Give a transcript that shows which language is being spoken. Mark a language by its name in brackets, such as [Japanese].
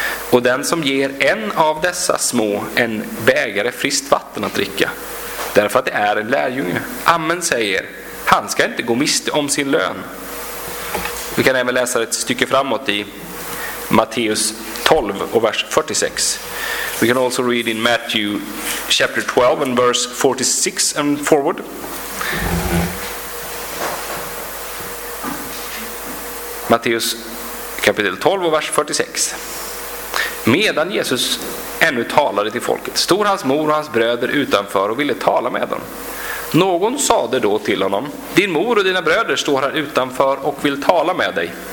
[Swedish] Och den som ger en av dessa små en bägare friskt vatten att dricka, därför att det är en lärjunge, amen säger, han ska inte gå miste om sin lön. Vi kan även läsa ett stycke framåt i Matteus 12 och vers 46. [English] We can also read in Matthew chapter 12 and verse 46 and forward. [Swedish] Matteus kapitel 12 och vers 46. Medan Jesus ännu talade till folket stod hans mor och hans bröder utanför och ville tala med dem. Någon sade då till honom, din mor och dina bröder står här utanför och vill tala med dig.